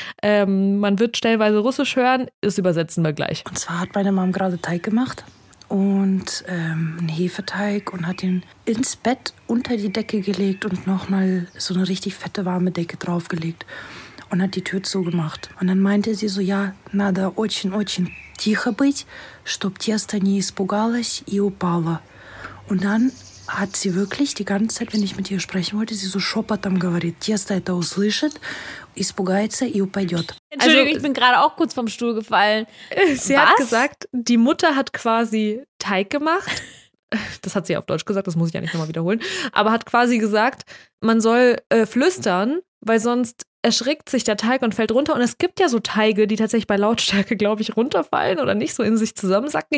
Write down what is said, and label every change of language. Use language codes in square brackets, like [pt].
[de] Man wird stellenweise Russisch hören, das übersetzen wir gleich. Und zwar hat meine Mom gerade Teig gemacht und einen Hefeteig und hat ihn ins Bett unter die Decke gelegt und nochmal so eine richtig fette warme Decke draufgelegt und hat die Tür zugemacht. Und dann meinte sie so, ja, [ru] надо очень, очень тихо быть, чтоб тесто не испугалось и упало. [de] Und dann hat sie wirklich die ganze Zeit, wenn ich mit ihr sprechen wollte, sie so schoppertam [ru] говорит. Тесто это услышит, испугается и упадет. [de] Entschuldigung, also, ich bin gerade auch kurz vom Stuhl gefallen. Sie Was? Hat gesagt, die Mutter hat quasi Teig gemacht. Das hat sie auf Deutsch gesagt, das muss ich ja nicht nochmal wiederholen. Aber hat quasi gesagt, man soll flüstern, weil sonst erschrickt sich der Teig und fällt runter. Und es gibt ja so Teige, die tatsächlich bei Lautstärke, glaube ich, runterfallen oder nicht so in sich zusammensacken.